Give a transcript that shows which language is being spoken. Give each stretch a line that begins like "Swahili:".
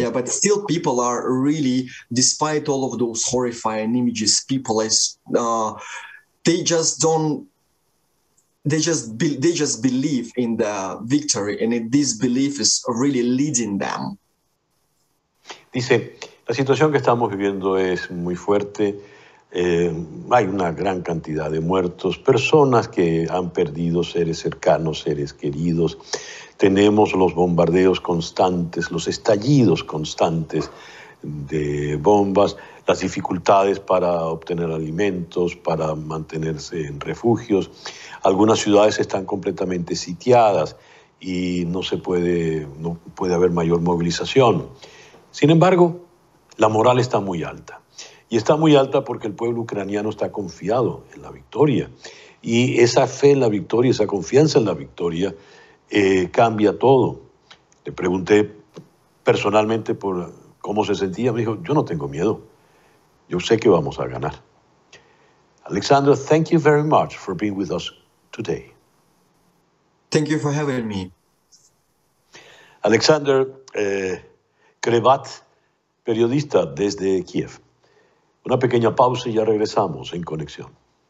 English: Yeah, but still people are really, despite all of those horrifying images, people is they just believe in the victory, and this belief is really leading them.
Spanish: Dice, la situación que estamos viviendo es muy fuerte. Hay una gran cantidad de muertos, personas que han perdido seres cercanos, seres queridos. Tenemos los bombardeos constantes, los estallidos constantes de bombas, las dificultades para obtener alimentos, para mantenerse en refugios. Algunas ciudades están completamente sitiadas y no puede haber mayor movilización. Sin embargo, la moral está muy alta. Y está muy alta porque el pueblo ucraniano está confiado en la victoria. Y esa fe en la victoria, esa confianza en la victoria, cambia todo. Le pregunté personalmente por cómo se sentía. Me dijo, yo no tengo miedo. Yo sé que vamos a ganar.
English: Alexander, thank you very much for being with us today. Thank you for having me.
Spanish: Alexander Khrebet, periodista desde Kiev. Una pequeña pausa y ya regresamos en conexión.